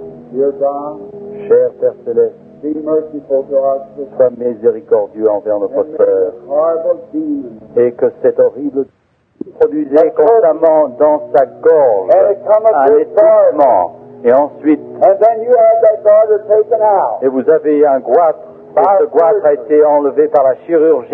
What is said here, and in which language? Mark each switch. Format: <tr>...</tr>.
<en>Dear God,</en> <fr>cher Père Céleste,</fr> <en>be merciful to our sister,</en> <fr>sois miséricordieux envers notre sœur et que cette horrible se produise constamment dans sa gorge un étouffement et ensuite</fr> <en>and then you have that garter taken out,</en> <fr>et vous avez un goitre et ce goitre a été enlevé par la chirurgie</fr>